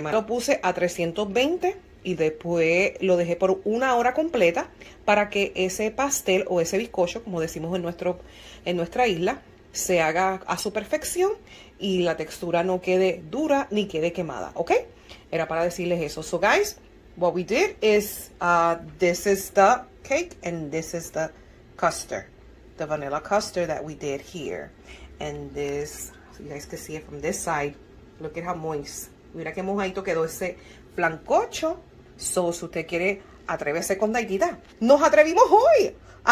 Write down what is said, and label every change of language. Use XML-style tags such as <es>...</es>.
<es>Lo puse a 320 y después lo dejé por una hora completa para que ese pastel o ese bizcocho, como decimos en nuestra isla, se haga a su perfección y la textura no quede dura ni quede quemada. ¿Ok? Era para decirles eso.</es> <en>So, guys, what we did is this is the cake and this is the custard. The vanilla custard that we did here. And this, so you guys can see it from this side. Look at how moist.</en> <es>Mira que mojadito quedó ese flancocho. So, si usted quiere, atrévese con Daidita. ¡Nos atrevimos hoy!</es>